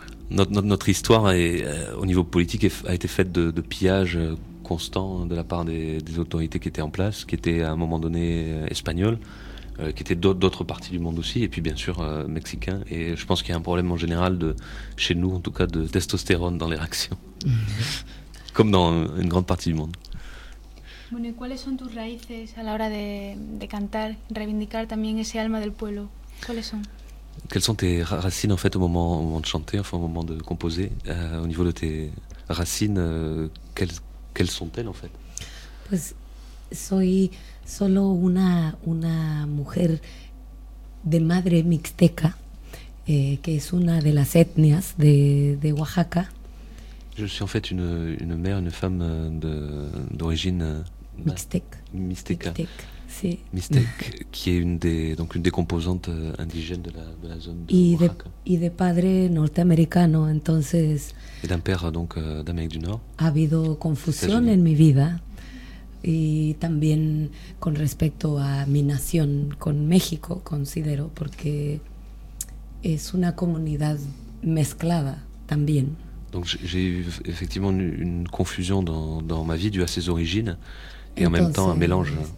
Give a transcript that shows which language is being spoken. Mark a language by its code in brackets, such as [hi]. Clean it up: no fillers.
[fr] Notre histoire au niveau politique a été faite de pillages constants de la part des autorités qui étaient en place, qui étaient à un moment donné espagnoles, qui étaient d'autres parties du monde aussi, et puis bien sûr mexicains. Et je pense qu'il y a un problème en général, chez nous en tout cas, de testostérone dans les réactions, comme dans une grande partie du monde. [es] Bueno, ¿y cuáles son tus raíces a la hora de cantar, reivindicar también ese alma del pueblo? ¿Cuáles son? [fr] Quelles sont tes racines en fait au moment de chanter, enfin au moment de composer, au niveau de tes racines, quelles sont-elles en fait? [es] Pues soy solo una mujer de madre mixteca, que es una de las etnias de Oaxaca. [fr] Je suis en fait une mère, une femme d'origine [es] mixteca. Sí. [fr] Mixteque, qui est une des composantes indigènes de la zone de [es] Oaxaca. Y de padre norteamericano, entonces. [fr] Et d'un père donc d'Amérique du Nord. [es] Ha habido confusión en mi vida, y también con respecto a mi nación con México, considero, porque es una comunidad mezclada también. [fr] Donc j'ai eu effectivement une confusion dans ma vie due à ses origines, et [es] entonces, [fr] en même temps un mélange.